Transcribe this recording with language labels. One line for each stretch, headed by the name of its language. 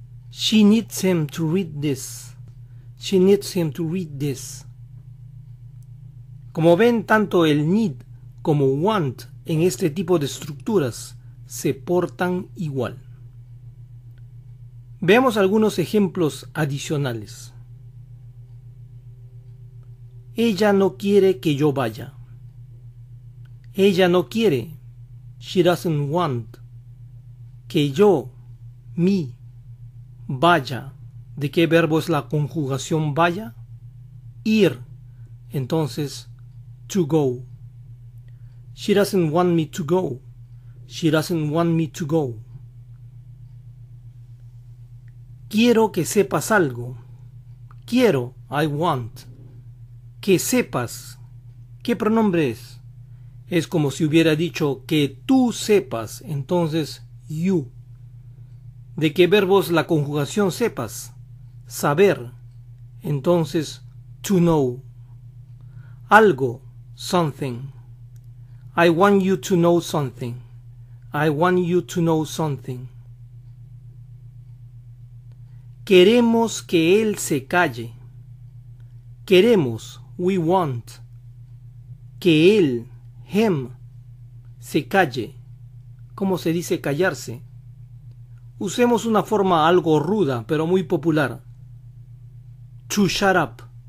English: She needs him to read this. She needs him to read this.
Spanish: Como ven, tanto el need como want en este tipo de estructuras se portan igual. Veamos algunos ejemplos adicionales. Ella no quiere que yo vaya. Ella no quiere,
English: she doesn't want,
Spanish: que yo, me, vaya. ¿De qué verbo es la conjugación vaya? Ir. Entonces,
English: to go. She doesn't want me to go. She doesn't want me to go.
Spanish: Quiero que sepas algo. Quiero,
English: I want.
Spanish: Que sepas. ¿Qué pronombre es? Es como si hubiera dicho que tú sepas. Entonces, you. ¿De qué verbo es la conjugación sepas? Saber. Entonces,
English: to know.
Spanish: Algo, something.
English: I want you to know something. I want you to know something.
Spanish: Queremos que él se calle. Queremos,
English: we want,
Spanish: que él, him, se calle. ¿Cómo se dice callarse? Usemos una forma algo ruda, pero muy popular.
English: To shut up.